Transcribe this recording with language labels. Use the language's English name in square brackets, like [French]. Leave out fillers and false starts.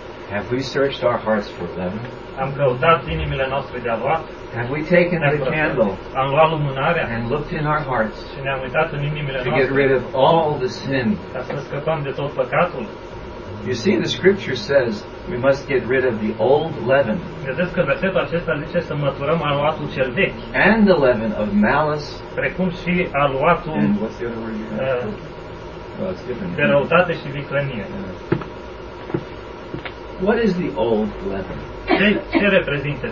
[English] Have we searched our hearts for leaven? [Romanian] Am căutat inimile noastre de aluat? [English] Have we taken the candle? [Romanian] Am luat lumânarea? [English] And looked in our hearts? [Romanian] Și ne-am uitat în inimile noastre? [English] To get rid of all the sin. [Romanian] Ca să scăpăm de tot păcatul? [English] You see, the scripture says we must get rid of the old leaven. [Romanian] Vedeți că versetul acesta zice să măturăm aluatul cel vechi. [English] And the leaven of malice. [Romanian] Precum și aluatul. [English] And what's the other word you have? [Romanian] De răutate și viclenie. [English] What is the old leaven? [Romanian] Ce reprezintă?